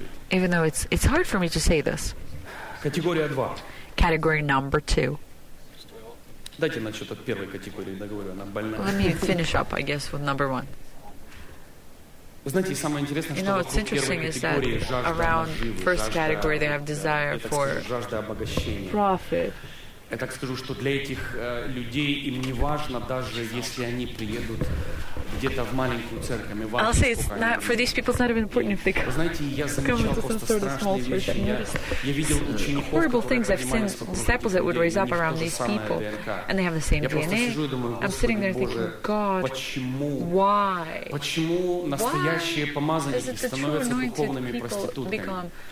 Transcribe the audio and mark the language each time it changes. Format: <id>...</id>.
<en>Even though it's hard for me to say this. Category number two. Let me finish up, I guess, with number one. You know, what's interesting is that around first category they have desire for profit.</en> <ru>Я так скажу, что для этих людей им не важно, даже если они приедут где-то в маленькую церковь.</ru> <en>I'll say it's not for these people. It's not even important if they come.</en> <ru>Знаете, я замечал просто страшные вещи. Я видел учеников,</ru> <en>horrible things I've seen. Disciples that would raise up around these people, and they have the same DNA. I'm sitting there thinking, God,</en> <ru>почему?</ru> <en>Why?</en> <ru>Почему настоящие помазанники становятся духовными проститутками?</ru>